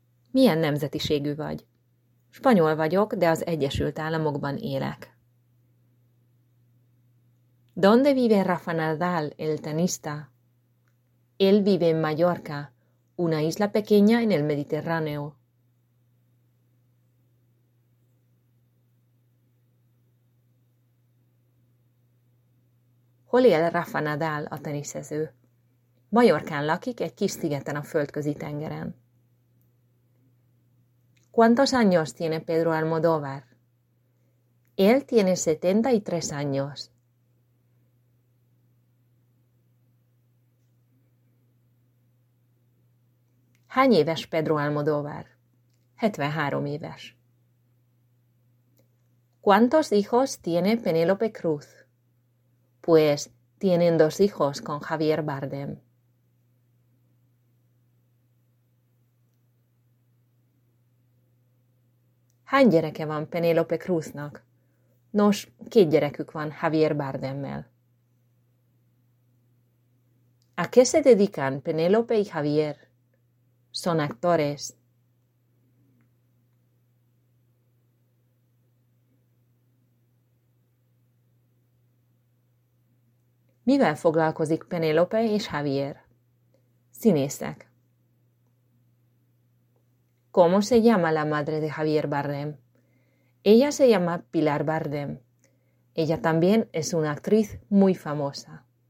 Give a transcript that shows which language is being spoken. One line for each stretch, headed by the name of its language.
Hungarian: Milyen nemzetiségű vagy? Spanyol vagyok, de az Egyesült Államokban élek.
Spanish: ¿Dónde vive Rafa Nadal, el tenista? Él vive en Mallorca, una isla pequeña en el Mediterráneo.
Hungarian: Hol él Rafa Nadal, a teniszező? Mallorcán lakik, egy kis szigeten a földközi tengeren.
Spanish: ¿Cuántos años tiene Pedro Almodóvar? Él tiene 73 años.
Hungarian: Hány éves Pedro Almodóvar? 73 éves.
Spanish: ¿Cuántos hijos tiene Penélope Cruz? Pues tienen dos hijos con Javier Bardem.
Hungarian: Hány gyereke van Penélope Cruznak? Nos, két gyerekük van Javier Bardemmel.
Spanish: ¿A qué se dedican Penélope y Javier? Son actores.
Hungarian: Mivel foglalkozik Penélope és Javier? Színészek.
Spanish: ¿Cómo se llama la madre de Javier Bardem? Ella se llama Pilar Bardem. Ella también es una actriz muy famosa.